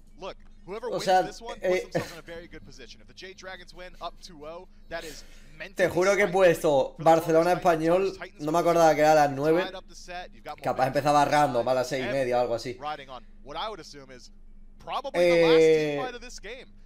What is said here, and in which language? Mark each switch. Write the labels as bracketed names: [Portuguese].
[English] Look, whoever wins this one puts themselves in a very good position. If the Jade Dragons win up 2-0, that is [Spanish] mentally. Te juro que he puesto Barcelona español. No me acordaba que era a las 9. Capaz empezaba rando a las 6 y media o algo así. [English] What I would assume is probably the last team fight of this game.